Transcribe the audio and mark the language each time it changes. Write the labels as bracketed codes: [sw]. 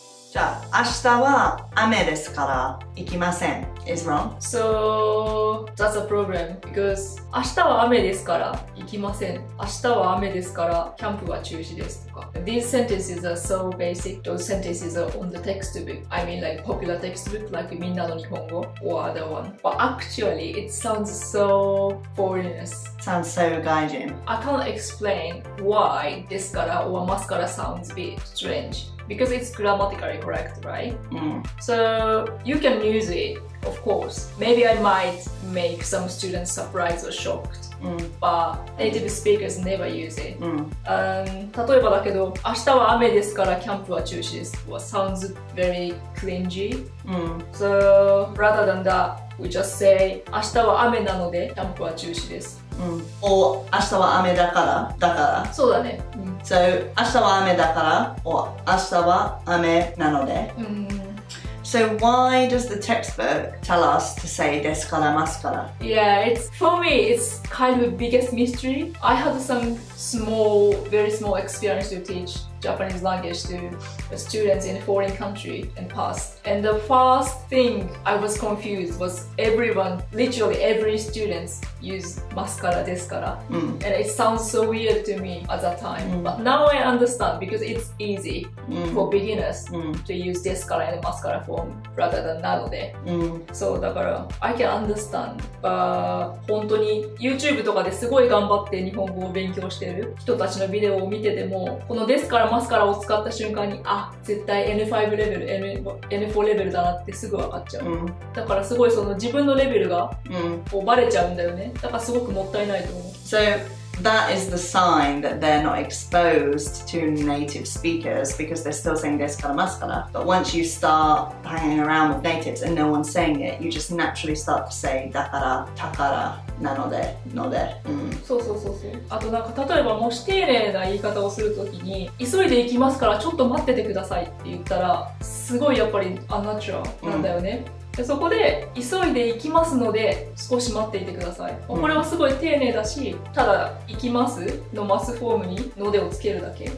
[ja] じゃあ、明日は雨ですから行きません。 [en] Is wrong? So, that's a problem because [ja] 明日は雨ですから行きません。明日は雨ですからキャンプは中止ですとか。 [en] These sentences are so basic. Those sentences are on the textbook. I mean like popular textbook like みんなの日本語 or other one. But actually, it sounds so foreigners. Sounds so gaijin. I can't explain why ですから or ますから sounds a bit strange. Because it's grammatically correct, right? Mm. So you can use it, of course. Maybe I might make some students surprised or shocked. Mm. But native speakers never use it. Mm. [ja] 例えばだけど、明日は雨ですからキャンプは中止です。 [en] Well, sounds very cringy. Mm. So rather than that, we just say, [ja] 明日は雨なのでキャンプは中止です。 [en] Mm. [ja] Or 明日は雨だから、だから。そうだね。 [en] So, [ja] 明日は雨だから [en] or [ja] 明日は雨なので、 [en] So, why does the textbook tell us to say ですから、ますから? Yeah, it's, for me, it's kind of the biggest mystery. I had some small, very small experience to teach Japanese language to students in a foreign country in the past. And the first thing I was confused was everyone, literally every student, used ますから、ですから. And it sounds so weird to me at that time. But now I understand because it's easy for beginners to use ですから and ますから form rather than なので. So, だから I can understand. [ja] But, 本当に [en] YouTube [ja] とかですごい頑張って日本語を勉強してる人たちのビデオを見てても、このですからマスカラを使った瞬間に、あ、絶対 N5 レベル、N4 レベルだなってすぐ分かっちゃう。だからすごいその自分のレベルがこうバレちゃうんだよね。だからすごくもったいないと思う。 [en] So that is the sign that they're not exposed to native speakers because they're still saying [ja] ですからマスカラ。 [en] But once you start hanging around with natives and no one's saying it, you just naturally start to say [ja] だから、たから。なので、ので、そうそうそうそう。あとなんか例えばもし丁寧な言い方をするときに急いで行きますからちょっと待っててくださいって言ったらすごいやっぱりアンナチュラルなんだよね。でそこで急いで行きますので少し待っていてください。これはすごい丁寧だし、ただ行きますのマスフォームにのでをつけるだけ。